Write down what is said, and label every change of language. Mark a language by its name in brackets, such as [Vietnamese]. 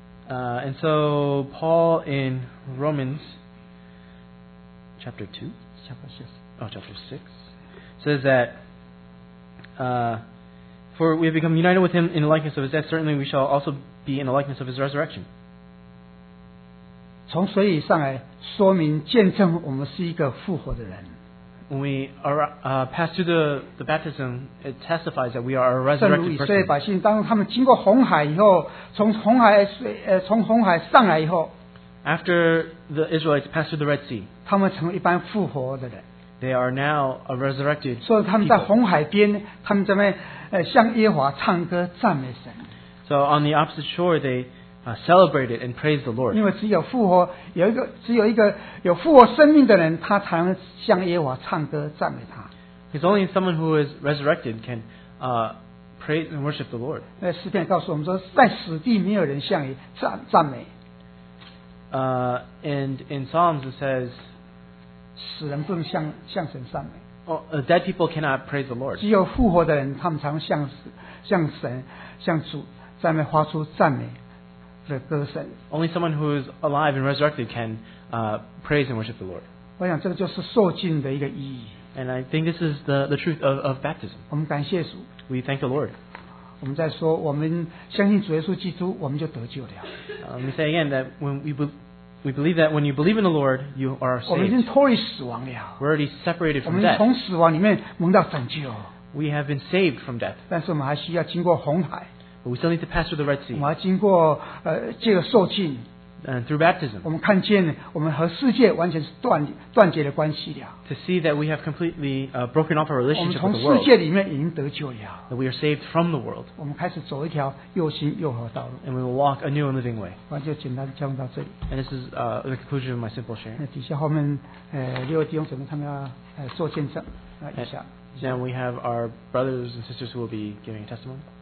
[English] And so Paul in Romans chapter 6 says that for we have become united with him in the likeness of his death, certainly we shall also be in the likeness of his resurrection. [Chinese] 从水里上来，说明见证我们是一个复活的人。 [English] When we are passed through the baptism, it testifies that we are a resurrected person. [Chinese] 圣如以色列百姓，当他们经过红海以后，从红海上来以后 [English] ，After the Israelites passed through the Red Sea, [Chinese] 他们成为一般复活的人。 [English] They are now a resurrected. [Chinese] 所以他们在红海边，他们这边向耶和华唱歌赞美神。 [English] So on the opposite shore, they celebrate it and praise the Lord. [Chinese] 因为只有复活，只有一个有复活生命的人，他才能向耶和华唱歌赞美他。 [English] It's only someone who is resurrected can praise and worship the Lord. [Chinese] 那诗篇告诉我们说，在死地没有人向赞美。 [English] And in Psalms it says, [Chinese] 死人不能向神赞美。 [English] Dead people cannot praise the Lord. [Chinese] 只有复活的人，他们才能向神、向主赞美，发出赞美。 [English] Only someone who is alive and resurrected can praise and worship the Lord. [Chinese] 我想这个就是受浸的一个意义。 [English] And I think this is the truth of baptism. [Chinese] 我们感谢主。 [English] We thank the Lord. [Chinese] 我们在说，我们相信主耶稣基督，我们就得救了。 [English] Let me say again that when we believe that when you believe in the Lord, you are saved. [Chinese] 我们已经脱离死亡了。 [English] We're already separated from death. [Chinese] 我们从死亡里面蒙到拯救。 [English] We have been saved from death. [Chinese] 但是我们还需要经过红海。 [English] But we still need to pass through the Red Sea. [Chinese] 我们要经过这个受浸。 [English] And through baptism. [Chinese] 我们看见我们和世界完全是断绝的关系了。 [English] To see that we have completely broken off our relationship with the world. [Chinese] 我们从世界里面已经得救了。 [English] That we are saved from the world. [Chinese] 我们开始走一条又新又活的道路。 [English] And we will walk a new and living way. [Chinese] 我就简单讲到这里。 [English] And this is the conclusion of my simple sharing. [Chinese] 那底下后面六位弟兄姊妹他们要做见证一下。 [English] Then we have our brothers and sisters who will be giving a testimony.